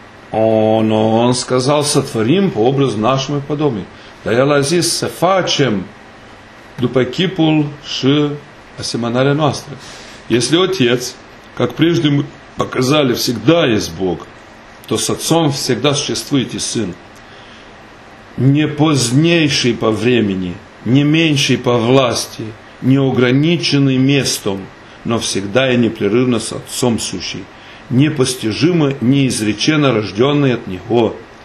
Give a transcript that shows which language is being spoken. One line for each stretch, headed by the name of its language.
Russian: Он сказал: «Сотворим по образу нашему и подобию».
Romanian: Dar El a zis: «Să facem după chipul și asemănarea noastră».
Russian: Если Отец, как прежде мы показали, всегда есть Бог, то с Отцом всегда существует и Сын. Не позднейший по времени, не меньший по власти, не ограниченный местом, но всегда и непрерывно с Отцом сущий, непостижимо, неизреченно рожденный от Него.